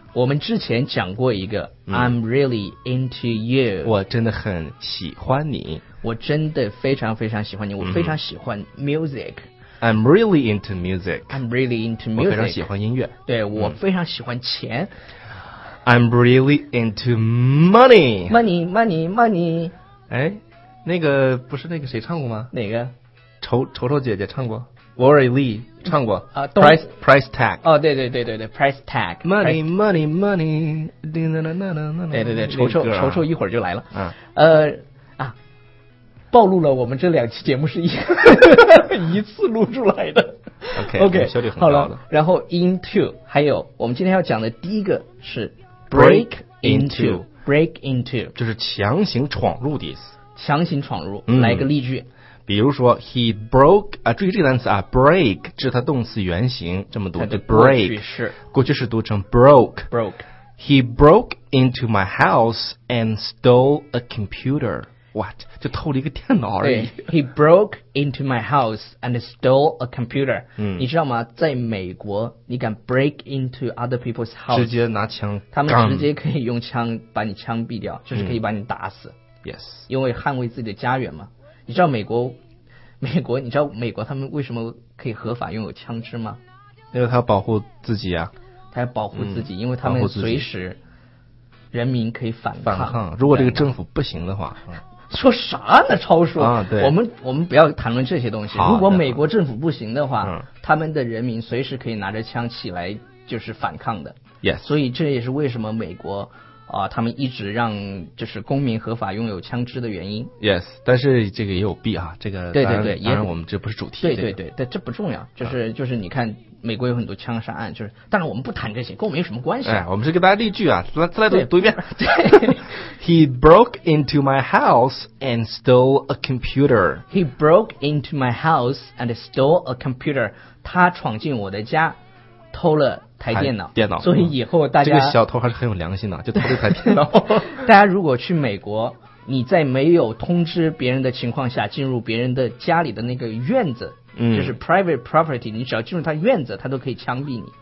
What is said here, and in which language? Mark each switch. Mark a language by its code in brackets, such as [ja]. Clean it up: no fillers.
[zh] 我们之前讲过一个、 [en] I'm really into you， [zh] 我真的很喜欢你，我真的非常非常喜欢你，我非常喜欢 music。 [en] I'm really into music， [zh] 我非常喜欢音乐，对，我非常喜欢钱。 [en] I'm really into money。 [zh] 哎，那个不是那个谁唱过吗？哪个？丑姐姐唱过。Lori Lee 唱过啊、 [en] Price Tag。 [zh] 哦，对 Price Tag [en] Money Price, Money [zh] 对丑丑一会儿就来了啊。暴露了我们这两期节目是一次录出来的。 OK 效率很高了。好了，然后 into 还有我们今天要讲的第一个是 break into 就是强行闯入的意思，强行闯入、来个例句，比如说 [en] he broke [zh] 啊，注意这个单词啊， break 是它动词原形，这么读的 [en] break [zh] 是过去式读成 broke。 [en] He broke into my house and stole a computer。 [zh] what 就偷了一个电脑而已。 [en] He broke into my house and stole a computer、 [zh] 你知道吗，在美国你敢 [en] break into other people's house， [zh] 直接拿枪，他们直接可以用枪把你枪毙掉，就是可以把你打死、 [en] yes [zh] 因为捍卫自己的家园嘛。你知道美国他们为什么可以合法拥有枪支吗？因为他要保护自己啊，他要保护自己、因为他们随时人民可以反抗，如果这个政府不行的话。说啥呢，超叔、对，我们不要谈论这些东西。如果美国政府不行的话、他们的人民随时可以拿着枪起来就是反抗的、 [en] yes. [zh] 所以这也是为什么美国他们一直让就是公民合法拥有枪支的原因。 Yes， 但是这个也有弊啊，这个对对对，当然我们这不是主题。对对对，但这不重要，就是你看美国有很多枪杀案，就是当然我们不谈这些，跟我们有什么关系？哎，我们是给大家例句啊，再来读一遍。对 [en] ，He broke into my house and stole a computer. He broke into my house and stole a computer. [zh] 他闯进我的家，偷了台电脑，所以以后大家这个小偷还是很有良心的，就偷了台电脑。大家如果去美国，你在没有通知别人的情况下进入别人的家里的那个院子，就是 private property， 你只要进入他院子，他都可以枪毙你。